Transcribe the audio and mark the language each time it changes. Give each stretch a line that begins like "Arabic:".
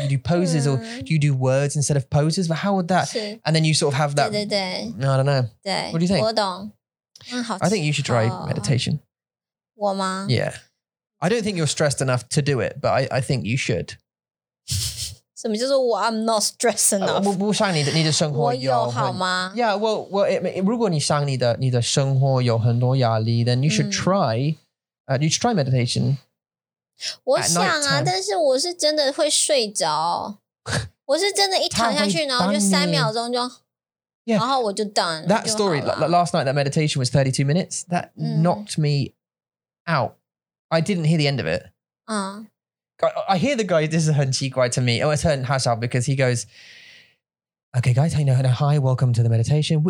English: You do poses or do you do words instead of poses? But how would that, and then you sort of have that.
Chinese: 对对对.
English: I don't know.
Chinese: 对,
English: what do you think?
Chinese: 我懂.嗯,
English: I think you should try meditation.
Chinese: 我吗?
English: Yeah. I don't think you're stressed enough to do it, but I think you should.
Chinese: 什么叫做我,
English: I'm not stressed enough.
Chinese: 我不想你的生活有好吗?
English: Yeah, well,
Chinese: 如果你想你的生活有很多压力,
English: then you should try, you should try meditation.
Chinese: 我想啊, 但是我是真的会睡着, 我是真的一躺下去, 然后就三秒钟就,
English: yeah.
Chinese: 然后我就done,
English: that story, last night, that meditation was 32 minutes, that knocked me out. I didn't hear the end of it. I hear the guy, this is
Chinese: 很奇怪
English: to me. Oh, it's
Chinese: 很好笑
English: because he goes, okay, guys, you know, hi, welcome to the meditation.